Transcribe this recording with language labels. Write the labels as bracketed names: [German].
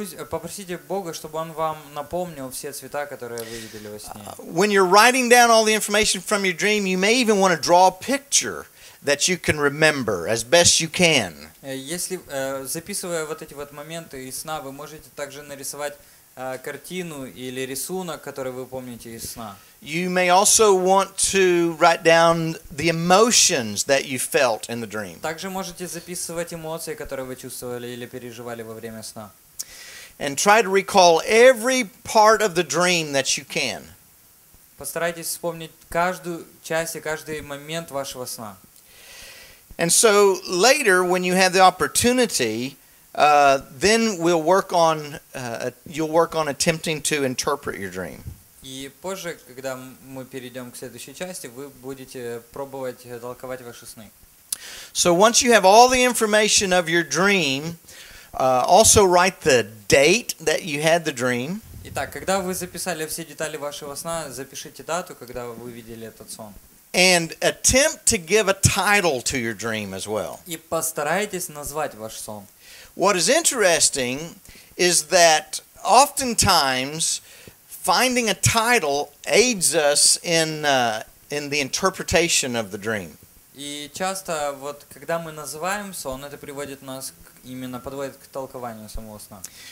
[Russian] Попросите Бога, чтобы он вам напомнил все цвета, которые вы видели во сне. [English] When you're writing down all the information from your dream, you may even want to draw a picture that you can remember as best you can. [Russian] Если записывая вот эти вот моменты из сна, вы можете также нарисовать картину или рисунок, который вы помните из сна. [English] You may also want to write down the emotions that you felt in the dream. [Russian] Также можете записывать эмоции, которые вы чувствовали или переживали во время сна. [English] And try to recall every part of the dream that you can. [Russian] Постарайтесь вспомнить каждую часть и каждый момент вашего сна. [English] And so later, when you have the opportunity, then we'll work on you'll work on attempting to interpret your dream. [Russian] И позже, когда мы перейдем к следующей части, вы будете пробовать толковать ваши сны. [English] So once you have all the information of your dream, also write the date that you had the dream. [Russian] Итак, когда вы записали все детали вашего сна, запишите дату, когда вы видели этот сон. [English] And attempt to give a title to your dream as well. [Russian] И постарайтесь назвать ваш сон. [English] What is interesting is that oftentimes finding a title aids us in the interpretation of the dream. [Russian] И часто вот когда мы называем сон, это приводит нас к, именно подводит к толкованию самого сна.